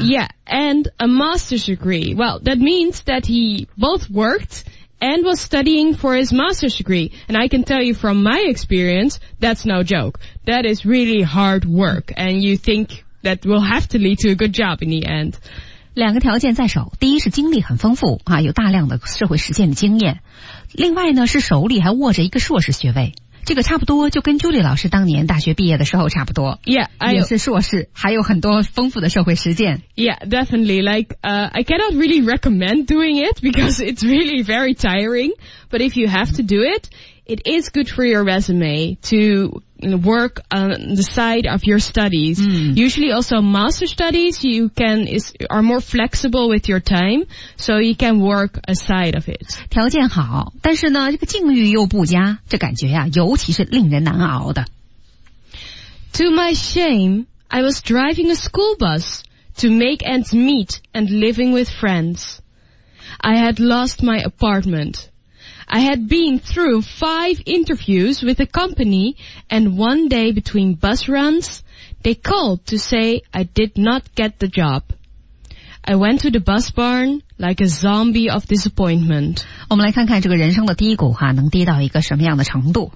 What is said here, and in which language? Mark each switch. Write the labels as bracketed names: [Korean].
[English] Yeah, and a master's degree. Well, that means that he both worked and was studying for his master's degree. And I can tell you from my experience, that's no joke. That is really hard work, and you think that will have to lead to a good job in the end. [Chinese] 两个条件在手，第一是经历很丰富啊，有大量的社会实践的经验，另外呢是手里还握着一个硕士学位，这个差不多就跟 Julie 老师当年大学毕业的时候差不多。 [English] Yeah, [Chinese] 也是硕士，还有很多丰富的社会实践。 [English] Yeah, definitely. Like, I cannot really recommend doing it because it's really very tiring. But if you have to do it, it is good for your resume to work on the side of your studies. Usually also master studies, are more flexible with your time, so you can work aside of it. [Chinese] 条件好，但是呢，这个境遇又不佳，这感觉呀，尤其是令人难熬的。 [English] To my shame, I was driving a school bus to make ends meet and living with friends. I had lost my apartment. I had been through 5 interviews with the company, and one day between bus runs, they called to say I did not get the job. I went to the bus barn like a zombie of disappointment. [Chinese] 我们来看看这个人生的低谷哈，能低到一个什么样的程度。